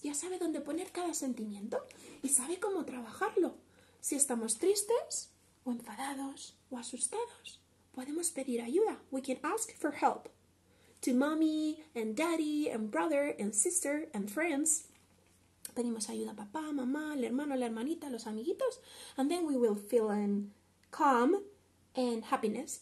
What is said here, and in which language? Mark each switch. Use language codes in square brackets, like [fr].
[es] Ya sabe dónde poner cada sentimiento. Y sabe cómo trabajarlo. Si estamos tristes, o enfadados, o asustados, podemos pedir ayuda. [en] We can ask for help. To mommy, and daddy, and brother, and sister, and friends. [es] Pedimos ayuda a papá, mamá, el hermano, la hermanita, los amiguitos. [en] And then we will feel in calm and happiness.